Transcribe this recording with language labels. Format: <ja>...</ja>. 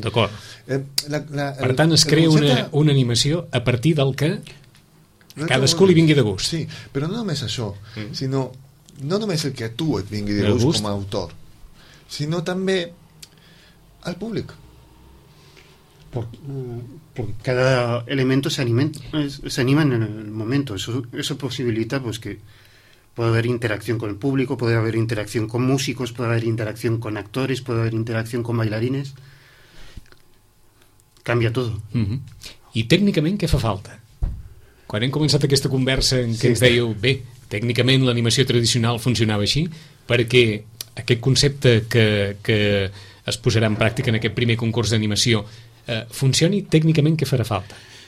<ca>D'acord. Per tant, es crea una animació a partir del que cadascú li vingui de gust. Sí, però no només això, sinó no només el que a tu et vingui de gust com a autor, sinó també al públic.</ca> <es>Porque cada elemento se anima en el momento. Eso posibilita pues que puede haber interacción con el público, puede haber interacción con músicos, puede haber interacción con actores, puede haber interacción con bailarines. Cambia todo. Uh-huh. ¿Y técnicamente qué</es> <ca>fa falta? quan hem començat aquesta conversa en què sí, ens dèieu, bé, tècnicament l'animació tradicional funcionava així, perquè aquest concepte que es posarà en pràctica en aquest primer concurs d'animació funcioni tècnicament, què farà falta?</ca>